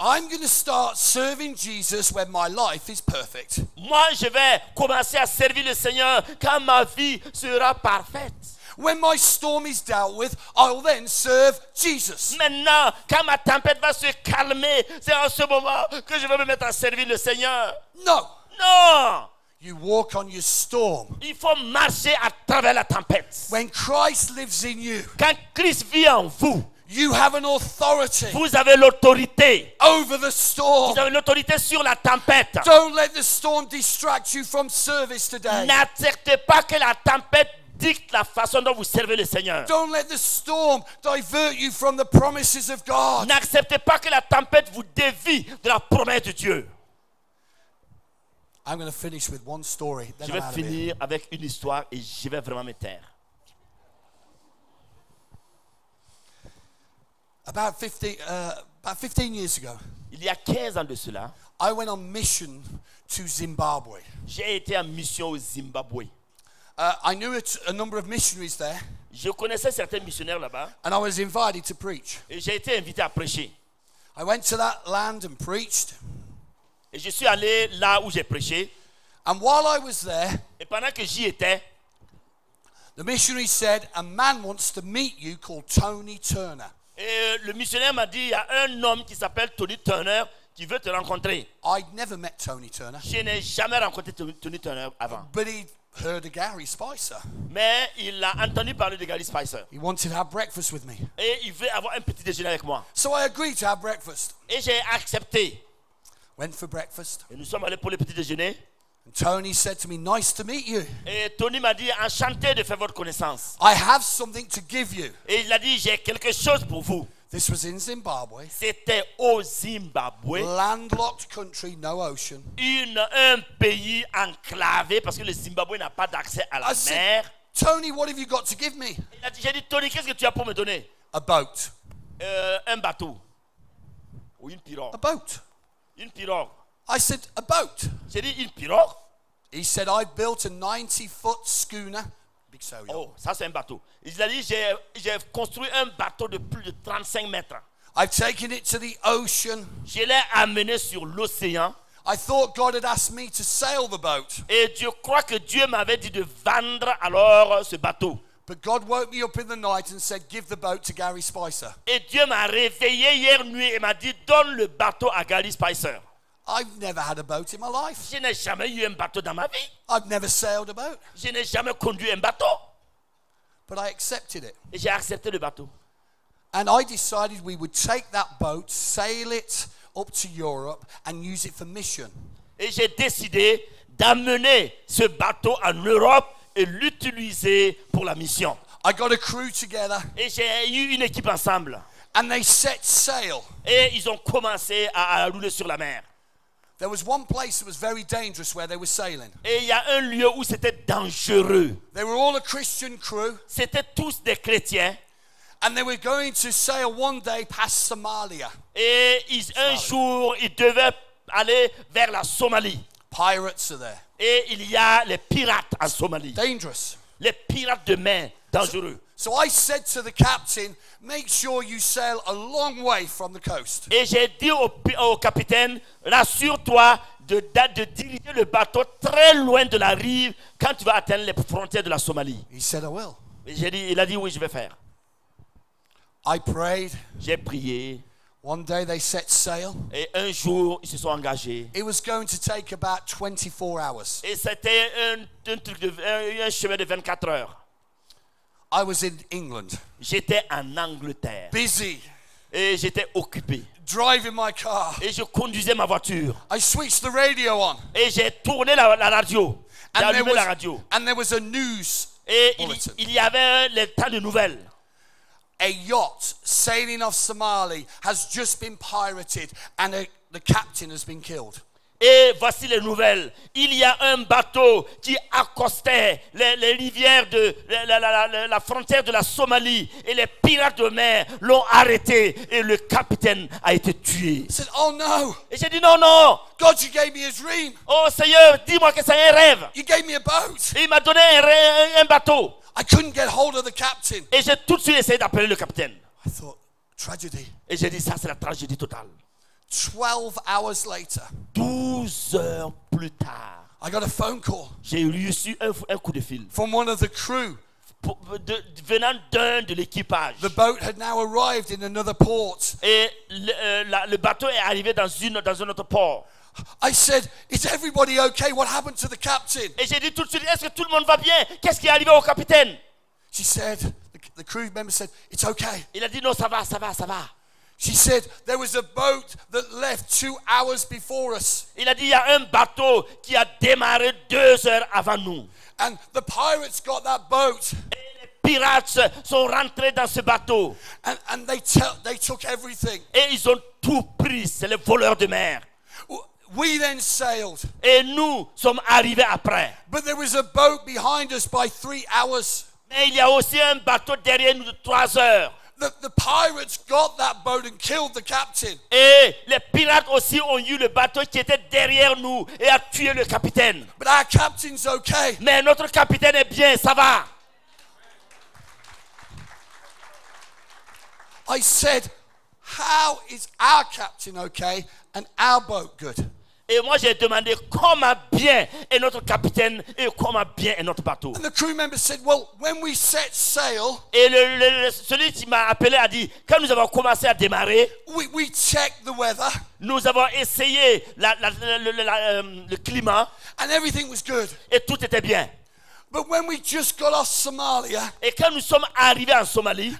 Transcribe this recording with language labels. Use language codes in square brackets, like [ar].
[en] I'm going to start serving Jesus when my life is perfect. [fr] Moi, je vais commencer à servir le Seigneur quand ma vie sera parfaite. [en] When my storm is dealt with, I will then serve Jesus. [fr] Maintenant, quand ma tempête va se calmer, c'est en ce moment que je vais me mettre à servir le Seigneur. [en] No. [fr] Non. [en] You walk on your storm. [fr] Il faut marcher à travers la tempête. [en] When Christ lives in you. [fr] Quand Christ vit en vous. [en] You have an authority. [fr] Vous avez l'autorité. [en] Over the storm. [fr] Vous avez l'autorité sur la tempête. [en] Don't let the storm distract you from service today. [fr] N'acceptez pas que la tempête dicte la façon dont vous servez le Seigneur. [en] Don't let the storm divert you from the promises of God. [fr] N'acceptez pas que la tempête vous dévie de la promesse de Dieu. [en] I'm going to finish with one story. Then [fr] je vais [en] I'm [fr] finir avec une histoire et je vais vraiment me taire. [en] About 15 years ago. [fr] Il y a 15 ans de cela. [en] I went on mission to Zimbabwe. [fr] J'ai été en mission au Zimbabwe. [en] I knew a number of missionaries there. [fr] Je connaissais certains missionnaires là-bas. [en] And I was invited to preach. [fr] Et j'ai été invité à prêcher. [en] I went to that land and preached. [fr] Et je suis allé là où j'ai prêché. [en] And while I was there, [fr] et pendant que j'y étais, [en] the missionary said, a man wants to meet you called Tony Turner. [fr] Et le missionnaire m'a dit, il y a un homme qui s'appelle Tony Turner qui veut te rencontrer. [en] I'd never met Tony Turner. [fr] Je n'ai jamais rencontré Tony Turner avant. [en] Heard of Gary Spicer. [fr] Mais il a entendu parler de Gary Spicer. [en] He wanted to have breakfast with me. [fr] Et il veut avoir un petit déjeuner avec moi. [en] So I agreed to have breakfast. [fr] Et j'ai accepté. [en] Went for breakfast. [fr] Et nous sommes allés pour le petit déjeuner. [en] And Tony said to me, "Nice to meet you." [fr] Et Tony m'a dit, enchanté de faire votre connaissance. [en] I have something to give you. [fr] Et il a dit, j'ai quelque chose pour vous. [en] This was in Zimbabwe. [fr] C'était au Zimbabwe. [en] Landlocked country, no ocean. [fr] Un pays enclavé parce que le Zimbabwe n'a pas d'accès à la mer. [en] Tony, what have you got to give me? [fr] J'ai dit, Tony, qu'est-ce que tu as pour me donner? [en] A boat. [fr] Un bateau. Ou une pirogue. [en] A boat. [fr] Une pirogue. [en] I said, a boat. [fr] J'ai dit, une pirogue. [en] He said, I built a 90-foot schooner. Big sail. [fr] Oh, ça c'est un bateau. Il a dit, j'ai construit un bateau de plus de 35 mètres. [en] I've taken it to the ocean. [fr] Je l'ai amené sur l'océan. [en] I thought God had asked me to sail the boat. [fr] Et je crois que Dieu m'avait dit de vendre alors ce bateau. [en] But God woke me up in the night and said, give the boat to Gary Spicer. [fr] Et Dieu m'a réveillé hier nuit et m'a dit, donne le bateau à Gary Spicer. [en] I've never had a boat in my life. [fr] Je n'ai jamais eu un bateau dans ma vie. [en] I've never sailed a boat. [fr] Je n'ai jamais conduit un bateau. [en] But I accepted it. [fr] Et j'ai accepté le bateau. [en] And I decided we would take that boat, sail it up to Europe and use it for mission. [fr] Et j'ai décidé d'amener ce bateau en Europe et l'utiliser pour la mission. [en] I got a crew together. [fr] Et j'ai eu une équipe ensemble. [en] And they set sail. [fr] Et ils ont commencé à rouler sur la mer. [en] There was one place that was very dangerous where they were sailing. [fr] Et il y a un lieu où c'était dangereux. [en] They were all a Christian crew. [fr] C'était tous des chrétiens. [en] And they were going to sail one day past Somalia. [fr] Et un jour, ils devaient aller vers la Somalie. [en] Pirates are there. [fr] Et il y a les pirates en Somalie. [en] Dangerous. [fr] Les pirates de mer, dangereux. [en] So I said to the captain, make sure you sail a long way from the coast. [fr] Et j'ai dit au capitaine, rassure-toi de diriger le bateau très loin de la rive quand tu vas atteindre les frontières de la Somalie. [en] He said, I will. [fr] Et il a dit, oui, je vais faire. [en] I prayed. [fr] J'ai prié. [en] One day they set sail. [fr] Et un jour, ils se sont engagés. [en] It was going to take about 24 hours. [fr] Et c'était un chemin de 24 heures. [en] I was in England. [fr] J'étais en Angleterre. [en] Busy. [fr] Et j'étais occupé. [en] Driving my car. [fr] Et je conduisais ma voiture. [en] I switched the radio on. [fr] Et j'ai tourné la radio. [en] And [fr] j'ai allumé la radio. [en] And there was a news. [fr] Et il y avait les tas de nouvelles. [en] A yacht sailing off Somalia has just been pirated and the captain has been killed. [fr] Et voici les nouvelles. Il y a un bateau qui accostait les rivières de la frontière de la Somalie et les pirates de mer l'ont arrêté et le capitaine a été tué. [en] I said, oh, no. [fr] Et j'ai dit non. [en] God, you gave me a dream. [fr] Oh Seigneur, dis-moi que c'est un rêve. [en] You gave me a boat. [fr] Et il m'a donné un bateau. [en] I couldn't get hold of the captain. [fr] Et j'ai tout de suite essayé d'appeler le capitaine. [en] I thought, tragedy. [fr] Et j'ai dit ça c'est la tragédie totale. [en] 12 hours later. [fr] 12 heures plus tard. [en] I got a phone call. [fr] J'ai reçu un coup de fil. [en] From one of the crew. [fr] Venant d'un de l'équipage. [en] The boat had now arrived in another port. [fr] Et le bateau est arrivé dans un autre port. [en] I said, is everybody okay? What happened to the captain? [fr] Et j'ai dit tout de suite, est-ce que tout le monde va bien? Qu'est-ce qui est arrivé au capitaine? [en] She said, the crew member said, it's okay. [fr] Il a dit non, ça va. [en] She said, there was a boat that left 2 hours before us. [fr] Il a dit, il y a un bateau qui a démarré 2 heures avant nous. [en] And the pirates got that boat. [fr] Et les pirates sont rentrés dans ce bateau. [en] And they took everything. [fr] Et ils ont tout pris, c'est les voleurs de mer. [en] We then sailed. [fr] Et nous sommes arrivés après. [en] But there was a boat behind us by 3 hours. [fr] Mais il y a aussi un bateau derrière nous de 3 heures. [en] The pirates got that boat and killed the captain. [fr] Et les pirates aussi ont eu le bateau qui était derrière nous et a tué le capitaine. [en] But our captain's okay. [fr] Mais notre capitaine est bien, ça va. [en] I said, how is our captain okay and our boat good? [fr] Et moi j'ai demandé comment bien est notre capitaine et comment bien est notre bateau. [en] And the crew member said, well, when we set sail, [fr] et celui qui m'a appelé a dit, quand nous avons commencé à démarrer, [en] we checked the weather, [fr] nous avons essayé le climat [en] and everything was good. [fr] Et tout était bien. [en] But when we just got off Somalia, [fr] et quand nous sommes arrivés en Somalie,